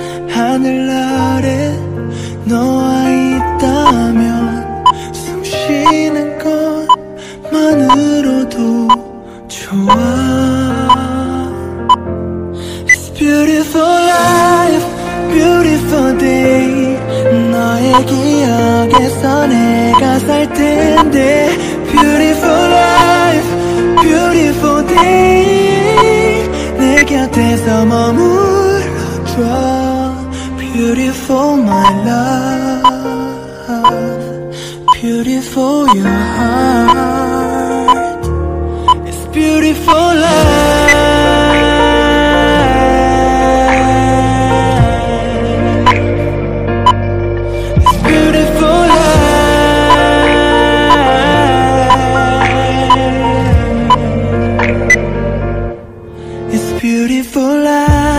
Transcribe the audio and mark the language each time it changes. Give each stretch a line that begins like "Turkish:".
Korean: 하늘 아래 너와 있다면 숨 쉬는 것만으로도 좋아.
English: It's beautiful life, beautiful day.
Korean: 너의 기억에서 내가 살 텐데.
English: Beautiful life, beautiful day.
Korean: 내 곁에서 머물러줘.
English: Beautiful my love, beautiful your heart, it's beautiful love, it's beautiful life, it's beautiful life.